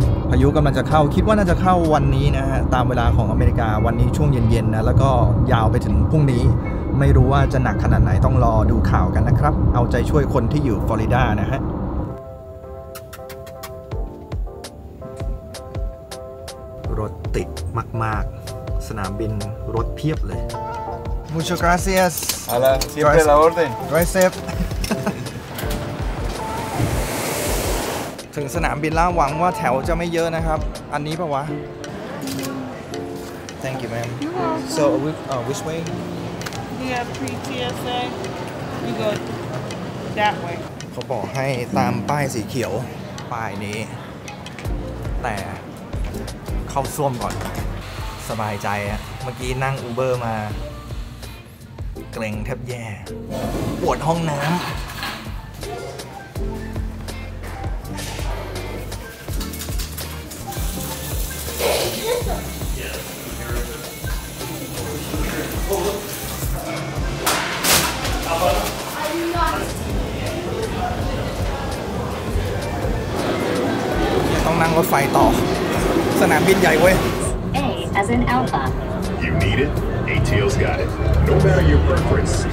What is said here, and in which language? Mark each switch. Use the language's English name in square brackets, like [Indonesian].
[Thai] พายุกำลังจะเข้าคิดว่าน่าจะเข้าวันนี้นะฮะตามเวลาของอเมริกาวันนี้ช่วงเย็นๆนะแล้วก็ยาวไปถึงพรุ่งนี้ไม่รู้ว่าจะหนักขนาดไหนต้องรอดูข่าวกันนะครับเอาใจช่วยคนที่อยู่ฟลอริดานะฮะติดมากๆสนามบินรถเพียบเลย [Spanish] Muchas gracias Hola siempre la orden [English] Drive safe [Thai] ถึงสนามบินแล้วหวังว่าแถวจะไม่เยอะนะครับอันนี้ป่ะวะ [English] Thank you ma'am So which way We have pre-TSA You go that way [Thai] เขาบอกให้ตามป้ายสีเขียวป้ายนี้แต่เข้าซ่วมก่อนสบายใจอะเมื่อกี้นั่งอูเบอร์มา เกรงแทบแย่ปวดห้องน้ำต้องนั่งรถไฟต่อสนามบินใหญ่เว้ย [English] A as in alpha You need it ATL's got it No matter your preference